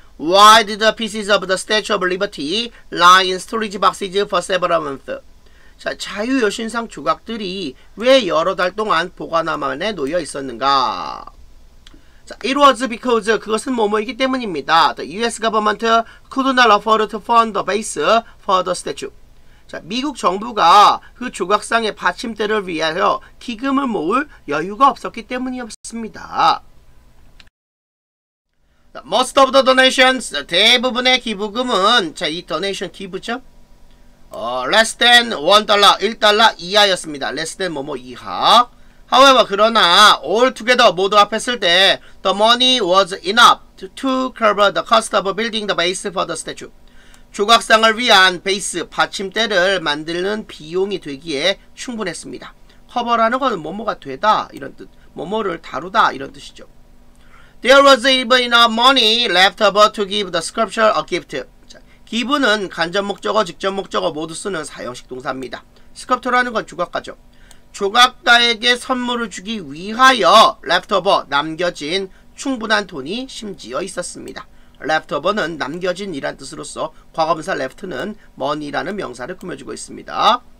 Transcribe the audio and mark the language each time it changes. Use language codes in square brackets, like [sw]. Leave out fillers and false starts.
[en] Why did the pieces of the Statue of Liberty lie in storage boxes for several months? [ko] 자, 자유 여신상 조각들이 왜 여러 달 동안 보관함 안에 놓여 있었는가? 자, [en] it was because [ko] 그것은 뭐뭐이기 때문입니다. [en] The US government could not afford to fund the base for the statue. [ko] 자, 미국 정부가 그 조각상의 받침대를 위하여 기금을 모을 여유가 없었기 때문이었습니다. [en] Most of the donations, [ko] 대부분의 기부금은, 자, 이 donation 기부죠? [en] Less than $1, [ko] $1 이하였습니다. Less than 뭐뭐 이하. [en] However, [ko] 그러나, [en] all together [ko] 모두 합했을 때, [en] the money was enough to cover the cost of building the base for the statue. [ko] 조각상을 위한 베이스, 받침대를 만드는 비용이 되기에 충분했습니다. 커버라는 건 뭐뭐가 되다, 이런 뜻. 뭐뭐를 다루다, 이런 뜻이죠. [en] There was even enough money left over to give the sculpture a gift. [ko] 자, 기부는 간접 목적어, 직접 목적어 모두 쓰는 사형식 동사입니다. 스컬프트라는 건 조각가죠. 조각가에게 선물을 주기 위하여 left over, 남겨진 충분한 돈이 심지어 있었습니다. left over는 남겨진이란 뜻으로서 과거분사 left는 money라는 명사를 꾸며주고 있습니다.